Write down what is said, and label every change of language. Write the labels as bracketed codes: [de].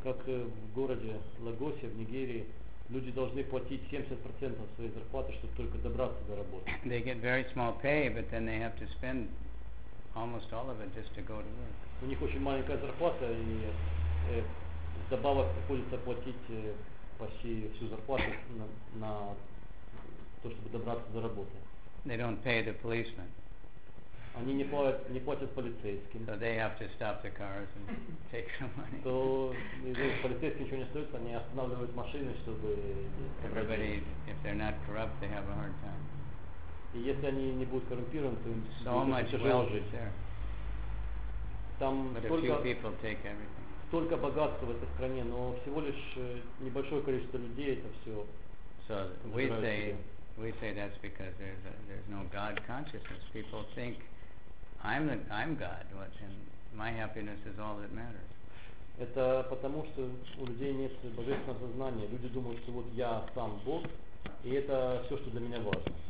[ru] Как в городе Лагосе в Нигерии люди должны платить 70% своей зарплаты, чтобы только добраться до работы. [en] They get very small pay, but then they have to spend almost all of it just to go to work. [ru] У них очень маленькая зарплата и добавок приходится платить почти всю зарплату на то, чтобы добраться до работы. [en] They don't pay the policemen. [ru] Они не платят полицейским. [en] So they have to stop the cars and take some money. [ru] То полицейские ничего не стоят, они останавливают машины, чтобы. [en] Everybody, if they're not corrupt, they have a hard time. [ru] И если они не будут коррумпированы, то им тяжело жить. [en] There. [ru] Там [en] but a few people take everything. [ru] Столько богатства в этой стране, но всего лишь небольшое количество людей это все. [en] So we say that's because there's no God consciousness. People think I'm God, and my happiness is all that matters. [ru] Это потому, что у людей нет божественного сознания. Люди думают, что вот я сам Бог, и это все, что для меня важно.